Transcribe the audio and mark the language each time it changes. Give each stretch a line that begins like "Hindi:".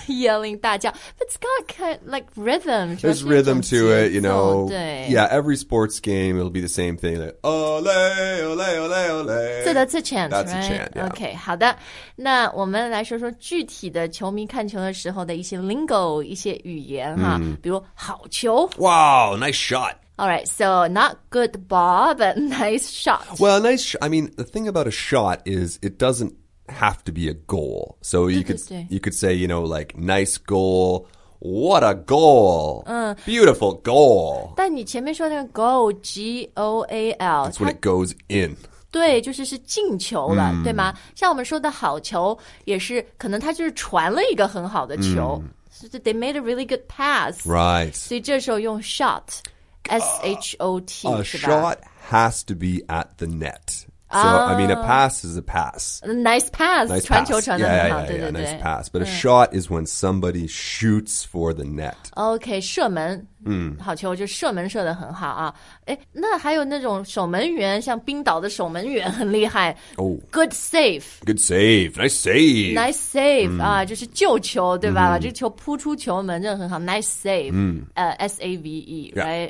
English: yelling,
Chinese: 大叫
English: It's got kind of like rhythm. There's rhythm to it, you know.
Chinese: 对
English: yeah, every sports game, it'll be the same thing. Like, ole, ole, ole, ole. So that's a chant, that's right? That's a chant, yeah.
Chinese: Okay, 好的。那我们来说说具体的球迷看球的时候的一些 lingo, 一些语言哈、比如好球。
English: Wow, nice shot. All right, so not good ball, but nice shot. Well, nice, I mean, the thing about a shot is it doesn't have to be a goal. So you could say, you know, like, nice goal. What a goal.、Beautiful goal.
Chinese: 但你前面说那个 goal, G-O-A-L.
English: That's when it goes in.
Chinese: 对就是是进球了、对吗像我们说的好球也是可能他就是传了一个很好的球。
English: They made a really good pass. Right.
Chinese: 所以这时候用 shot, S-H-O-T,
English: a shot has to be at the net. So, I mean, a pass is a pass. Nice pass. Nice
Chinese: 传球传得很好
English: yeah, yeah, yeah,
Chinese: 对对对
English: nice pass. But a shot is when somebody shoots for the net.
Chinese: Okay, 射门好球，就射门射得很好啊。诶，那还有那种守门员，像冰岛的守门员很厉害。
English: Good save. Good save. Nice save. Nice save.、
Chinese: 啊，就是救球，对吧？这个球扑出球门，这很好。
English: Nice save. S-A-V-E, right?、